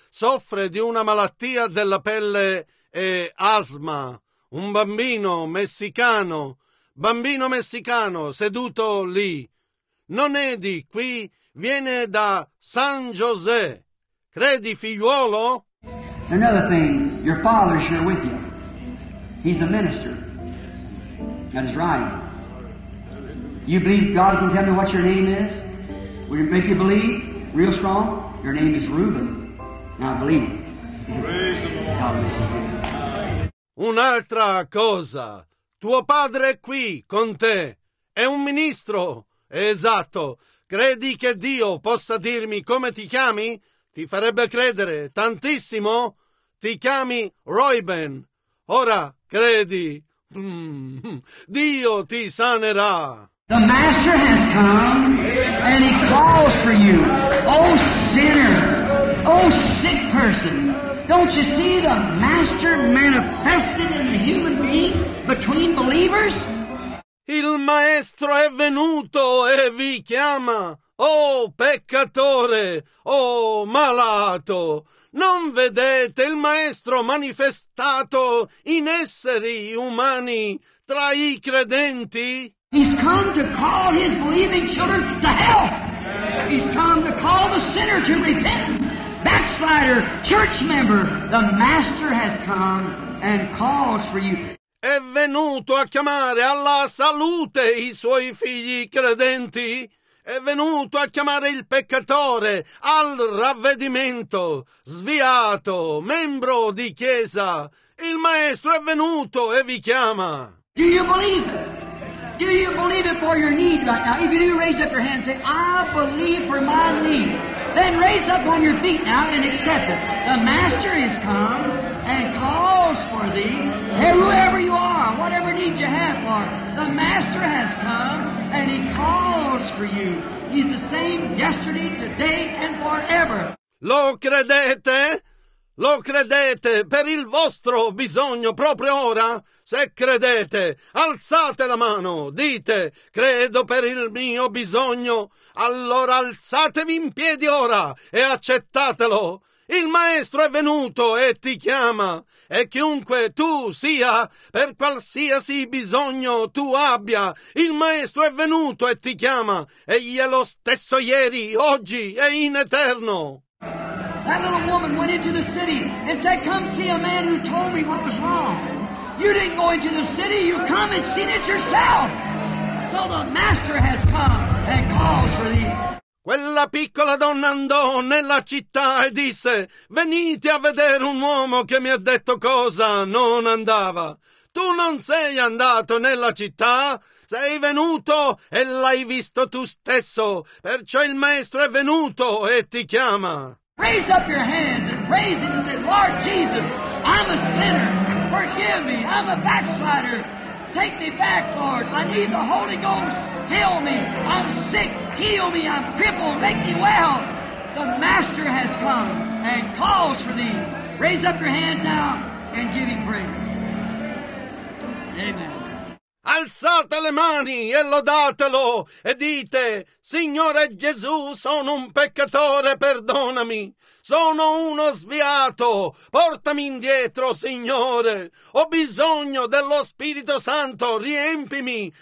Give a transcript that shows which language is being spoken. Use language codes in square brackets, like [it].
[it] Soffre di una malattia della pelle e asma. Un bambino messicano. Bambino messicano seduto lì. Non è di qui, viene da San José. Credi, figliuolo? [en] Another thing, your father is here with you. He's a minister. That is right. You believe God can tell me what your name is? Will it make you believe real strong? Your name is Reuben. Now believe. Praise the Lord. [it] Un'altra cosa. Tuo padre è qui con te. È un ministro. Esatto. Credi che Dio possa dirmi come ti chiami? Ti farebbe credere tantissimo? Ti chiami Reuben. Ora credi. Dio ti sanerà. [en] The Master has come and he calls for you. Oh sinner, oh sick person. Don't you see the Master manifested in the human beings between believers? [it] Il Maestro è venuto e vi chiama. Oh peccatore, oh malato. Non vedete il Maestro manifestato in esseri umani tra i credenti? [en] He's come to call his believing children to health. He's come to call the sinner to repentance. Backslider, church member, the Master has come and calls for you. [it] È venuto a chiamare alla salute i suoi figli credenti. È venuto a chiamare il peccatore al ravvedimento, sviato, membro di chiesa. Il Maestro è venuto e vi chiama. [en] Do you believe it? Do you believe it for your need right now? If you do, raise up your hand and say, I believe for my need. Then raise up on your feet now and accept it. The Master has come and calls for thee. Hey, whoever you are, whatever need you have for, the Master has come and he calls for you. He's the same yesterday, today, and forever. [it] Lo credete? Lo credete per il vostro bisogno proprio ora? Se credete, alzate la mano, dite, credo per il mio bisogno. Allora alzatevi in piedi ora e accettatelo. Il Maestro è venuto e ti chiama. E chiunque tu sia, per qualsiasi bisogno tu abbia, il Maestro è venuto e ti chiama. Egli è lo stesso ieri, oggi e in eterno. [en] That little woman went into the city and said, come see a man who told me what was wrong. You didn't go into the city, you come and seen it yourself. So the Master has come and calls for thee. [it] Quella piccola donna andò nella città e disse, venite a vedere un uomo che mi ha detto cosa non andava. Tu non sei andato nella città, sei venuto e l'hai visto tu stesso, perciò il Maestro è venuto e ti chiama. [en] Raise up your hands and praise him and say, Lord Jesus, I'm a sinner. Forgive me. I'm a backslider. Take me back, Lord. I need the Holy Ghost. Heal me. I'm sick. Heal me. I'm crippled. Make me well. The Master has come and calls for thee. Raise up your hands now and give him praise. Amen. [it] Alzate le mani e lodatelo e dite, Signore Gesù, sono un peccatore, perdonami. Sono uno sviato, portami indietro, Signore. Ho bisogno dello Spirito Santo, riempimi.